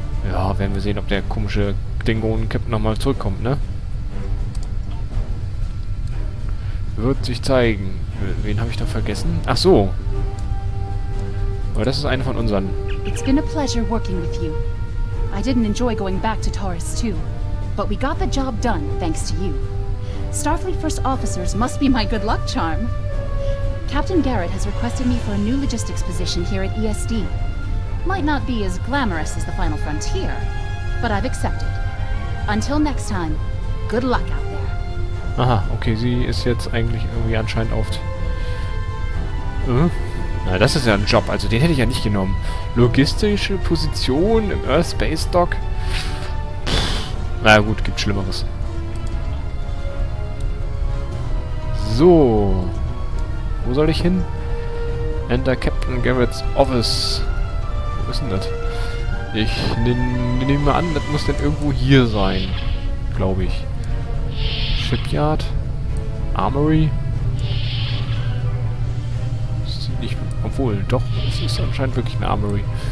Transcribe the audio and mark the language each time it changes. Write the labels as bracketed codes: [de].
[de] Ja, werden wir sehen, ob der komische Klingonen-Captain nochmal zurückkommt, ne? Wird sich zeigen. Wen habe ich da vergessen? Ach so. Aber das ist eine von unseren. [en] It's been a pleasure working with you. I didn't enjoy going back to Taurus too, but we got the job done thanks to you. Starfleet First Officers must be my good luck charm. Captain Garrett has requested me for a new logistics position here at ESD. Might not be as glamorous as the Final Frontier, but I've accepted. Until next time, good luck out there. [de] Aha, okay, sie ist jetzt eigentlich irgendwie anscheinend oft. Na, das ist ja ein Job, also den hätte ich ja nicht genommen. Logistische Position im Earth Space Dock? Na gut, gibt Schlimmeres. So. Wo soll ich hin? [en] Enter Captain Garrett's Office. [de] Wo ist denn das? Ich nehme an, das muss denn irgendwo hier sein. Glaube ich. Shipyard? Armory? Obwohl, doch, es ist anscheinend wirklich eine Armory.